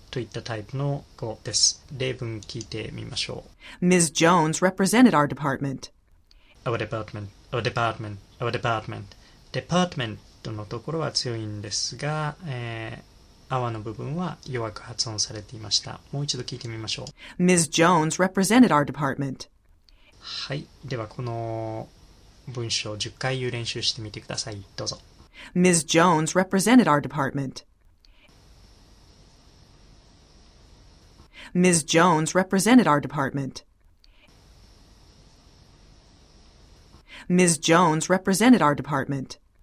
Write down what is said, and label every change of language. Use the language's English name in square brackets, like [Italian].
[Japanese] といったタイプの語です。例文聞いてみましょう。 [English] Ms. Jones represented our department. Our department, our department, our department. [Japanese] Department のところは強いんですが、our の部分は弱く発音されていました。もう一度聞いてみましょう。 [English] Ms. Jones represented our department. [Japanese] はい。ではこの文章を10回言う練習してみてください。どうぞ。 [English] Ms. Jones represented our department. Ms. Jones represented our department. Ms. Jones represented our department.